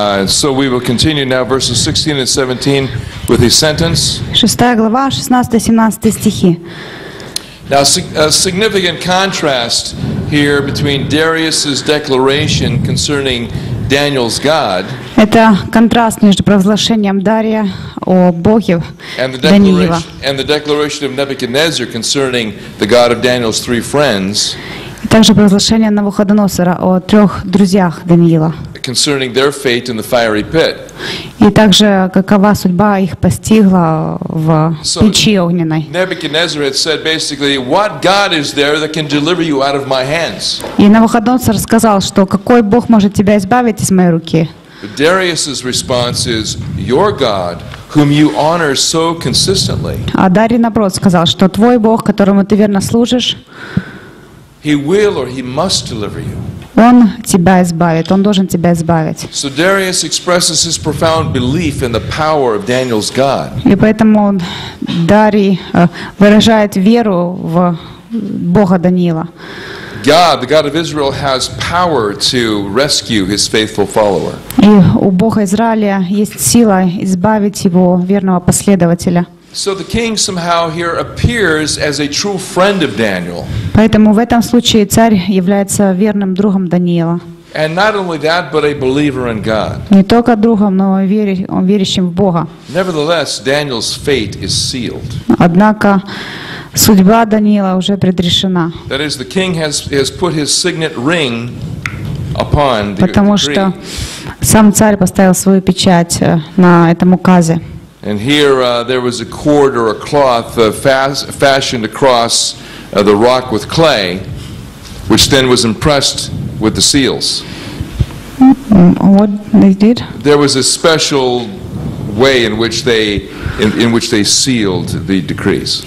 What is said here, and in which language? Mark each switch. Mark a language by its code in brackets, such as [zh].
[en] So we will continue now verses 16 and 17 with the sentence. [ru] 6 глава, 16-17 стихи. [en] Now, a significant contrast here between Darius's declaration concerning Daniel's God. [ru] Это контраст между провозглашением Дария о Боге Даниила. [en] And the declaration of Nebuchadnezzar concerning the God of Daniel's three friends. [ru] И также провозглашение Навуходоносора о трех друзьях Даниила. [en] Concerning their fate in the fiery pit. [ru] И также какова судьба их постигла в печи огненной. [en] Nebuchadnezzar had said basically, what God is there that can deliver you out of my hands? [ru] И Навуходоносор сказал, что какой Бог может тебя избавить из моей руки? [en] Darius's response is, your God, whom you honor so consistently. [ru] А Дарий наоборот сказал, что твой Бог, которому ты верно служишь. [en] He will or he must deliver you. [ru] Он тебя избавит, он должен тебя избавить. [en] So Darius expresses his profound belief in the power of Daniel's God. [ru] И поэтому Дарий выражает веру в Бога Даниила. [en] God, the God of Israel, has power to rescue his faithful follower. [ru] И у Бога Израиля есть сила избавить его верного последователя. [en] So the king somehow here appears as a true friend of Daniel. [ru] Поэтому в этом случае царь является верным другом Даниила. [en] And not only that, but a believer in God. [ru] Не только другом, но верящим в Бога. [en] Nevertheless, Daniel's fate is sealed. [ru] Однако судьба Даниила уже предрешена. [en] That is, the king has put his signet ring upon the decree. [ru] Потому что сам царь поставил свою печать на этом указе. [en] And here there was a cord or a cloth fashioned across the rock with clay, which then was impressed with the seals. What they did? There was a special way in which they sealed the decrees.